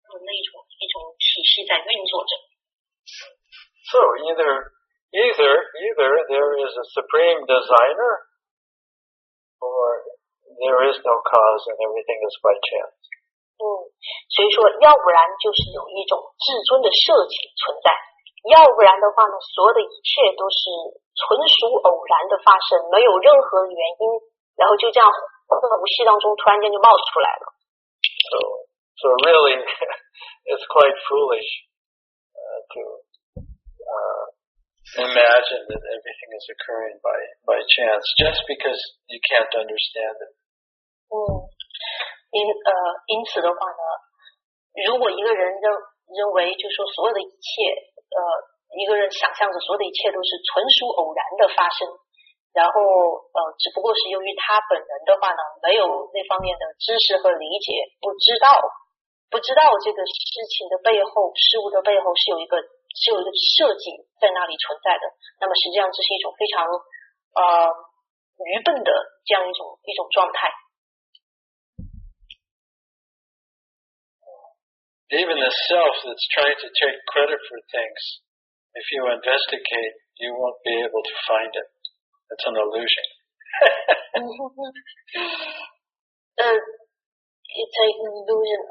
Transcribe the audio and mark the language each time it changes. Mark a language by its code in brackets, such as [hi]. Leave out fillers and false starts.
[en] So either there is a supreme designer, or there is no cause and everything is by chance. [zh] 所以说要不然就是有一种至尊的设计存在，要不然的话呢，所有的一切都是纯属偶然的发生，没有任何原因，然后就这样无息当中突然间就冒出来了。 [en] So really, it's quite foolish to imagine that everything is occurring by chance just because you can't understand it. [zh] 因此的话呢，如果一个人认为就说所有的一切，一个人想象着所有的一切都是纯属偶然的发生，然后只不过是由于他本人的话呢，没有那方面的知识和理解，不知道这个事情的背后，事物的背后是有一个设计在那里存在的，那么实际上这是一种非常愚笨的这样一种状态。 [en] Even the self that's trying to take credit for things, if you investigate, you won't be able to find it. It's an illusion. It's an illusion.